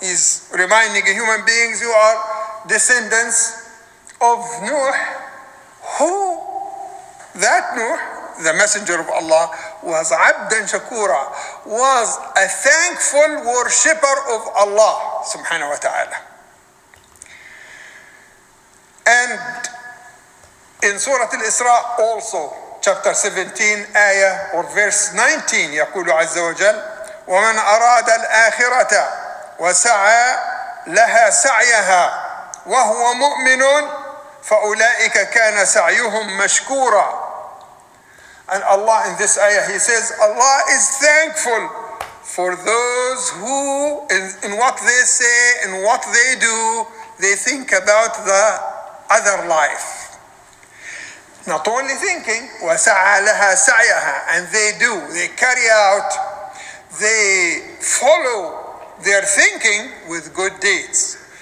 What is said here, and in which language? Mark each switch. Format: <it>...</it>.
<en>He's reminding human beings, you are descendants of Nuh. Who? That Nuh, the messenger of Allah, was</en> <ar>عَبْدًا شَكُورًا,</ar> <en>was a thankful worshipper of Allah subhanahu wa ta'ala. And in Surah Al-Isra also, chapter 17, ayah or verse 19,</en> <ar>يَقُولُ عَزَّ وَجَلُ وَمَنْ أَرَادَ الْآخِرَةَ وَسَعَى لَهَا سَعْيَهَا وَهُوَ مُؤْمِنٌ فَأُولَٰئِكَ كَانَ سَعْيُهُمْ مَشْكُورًا.</ar> <en>And Allah in this ayah, He says, Allah is thankful for those who, in what they say, in what they do, they think about the other life. Not only thinking,</en> <ar>وَسَعَى لَهَا سَعْيَهَا,</ar> <en>and they do, they carry out, they follow their thinking with good deeds.</en>